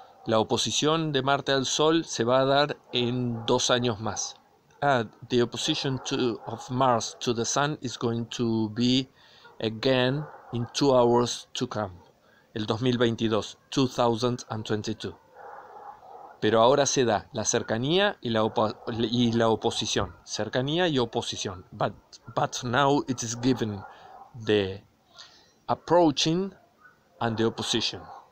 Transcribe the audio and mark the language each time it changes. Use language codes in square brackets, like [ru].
[es] La oposición de Marte al Sol se va a dar en 2 años más. [en] The opposition of Mars to the Sun is going to be again in 2 hours to come. [es] El 2022, 2022. Pero ahora se da la cercanía y la oposición. Cercanía y oposición. [en] But now it is given the approaching and the opposition.